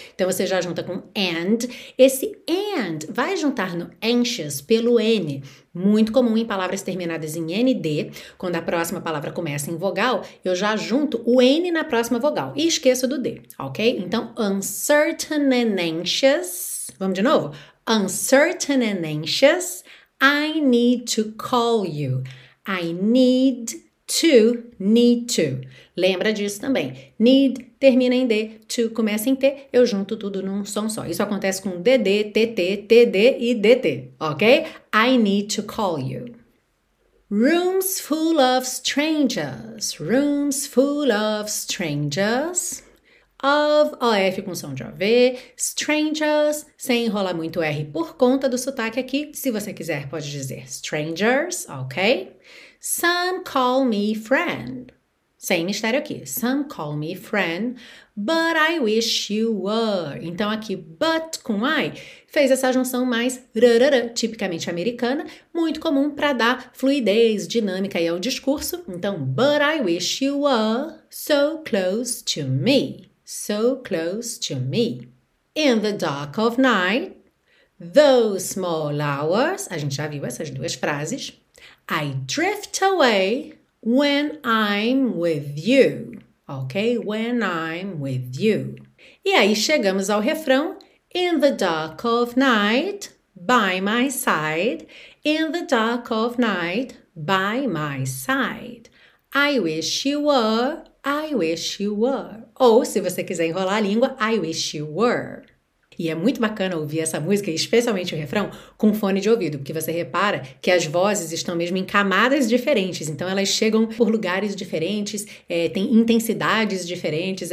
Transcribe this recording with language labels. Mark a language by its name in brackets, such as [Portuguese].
[Portuguese] Então você já junta com and. Esse and vai juntar no anxious pelo N. Muito comum em palavras terminadas em ND, quando a próxima palavra começa em vogal, eu já junto o N na próxima vogal e esqueço do D, ok? Então, [English] uncertain and anxious. [Portuguese] Vamos de novo? [English] Uncertain and anxious, I need to call you. I need to. [Portuguese] Lembra disso também. Need termina em D, to começa em T, eu junto tudo num som só. Isso acontece com DD, TT, TD e DT, ok? [English] I need to call you. Rooms full of strangers. Rooms full of strangers. [Portuguese] Of, OF com som de OV, strangers, sem enrolar muito R por conta do sotaque aqui, se você quiser pode dizer strangers, ok? [English] Some call me friend, [Portuguese] sem mistério aqui, [English] some call me friend, but I wish you were. [Portuguese] Então aqui, but com I, fez essa junção mais rarara, tipicamente americana, muito comum para dar fluidez, dinâmica aí ao discurso. Então, [English] but I wish you were so close to me. So close to me. In the dark of night, those small hours. [Portuguese] A gente já viu essas duas frases. [English] I drift away when I'm with you. Ok? When I'm with you. [Portuguese] E aí chegamos ao refrão. [English] In the dark of night, by my side. In the dark of night, by my side. I wish you were. I wish you were. [Portuguese] Ou, se você quiser enrolar a língua, [English] I wish you were. [Portuguese] E é muito bacana ouvir essa música, especialmente o refrão, com fone de ouvido, porque você repara que as vozes estão mesmo em camadas diferentes. Então, elas chegam por lugares diferentes, têm intensidades diferentes.